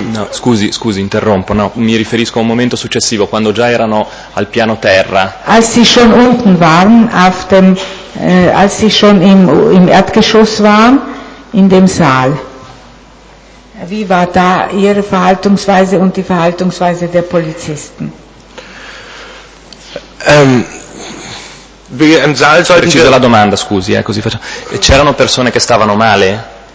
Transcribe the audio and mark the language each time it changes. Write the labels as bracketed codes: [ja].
[it] Scusi, interrompo, no, mi riferisco a un momento successivo, quando già erano al piano terra. [de] Als sie schon unten waren, als sie schon im Erdgeschoss waren, in dem Saal. Wie war da ihre Verhaltensweise und die Verhaltensweise der Polizisten? [it] Preciso la domanda, scusi, così facciamo. C'erano persone che stavano male?